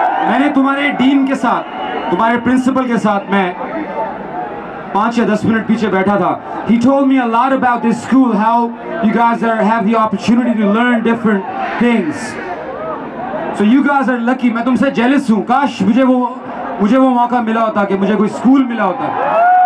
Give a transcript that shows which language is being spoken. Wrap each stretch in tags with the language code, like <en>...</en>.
<hi>मैंने तुम्हारे डीन के साथ, तुम्हारे प्रिंसिपल के साथ मैं 5 या 10 मिनट पीछे बैठा था।</hi> <en>He told me a lot about this school, how you guys are have the opportunity to learn different things. So you guys are lucky.</en> <hi>मैं तुमसे jealous हूँ। काश मुझे वो मौका मिला होता कि मुझे कोई स्कूल मिला होता।</hi>